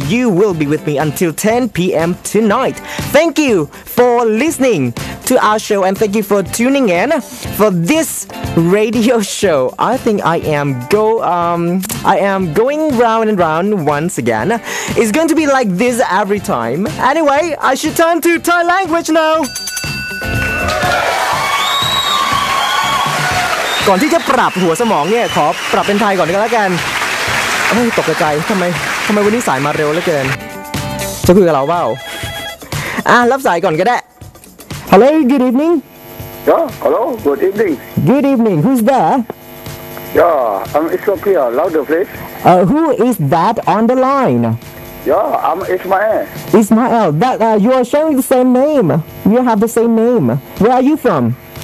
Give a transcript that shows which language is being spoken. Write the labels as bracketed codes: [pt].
[en] You will be with me until 10 p.m. tonight. Thank you for listening to our show, and thank you for tuning in for this radio show. I think I am going round and round once again. It's going to be like this every time. Anyway, I should turn to Thai language now. [th] ก่อนที่จะปรับหัวสมองเนี่ยขอปรับเป็นไทยก่อนก็แล้วกันเฮ้ยตกใจทำไมวันนี้สายมาเร็วเหลือเกินจะคุยกับเราเปล่าอ่ะรับสายก่อนก็ได้ [en] Hello good evening Yeah hello good evening Good evening who's there Yeah I'm Ethiopia louder please Who is that on the line Yeah I'm Ismael Ismael that you are sharing the same name you have the same name Where are you from